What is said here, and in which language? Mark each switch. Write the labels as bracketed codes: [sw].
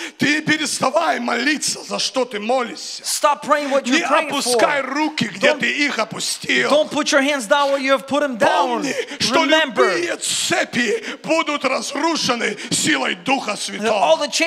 [ru] Ты переставай молиться, за что ты молишься. [en] Stop praying what you're praying [ru] Не опускай руки, где ты их опустил. [en] Don't put your hands down where you have put them down. [ru] Помни, что любые цепи будут разрушены силой Духа Святого.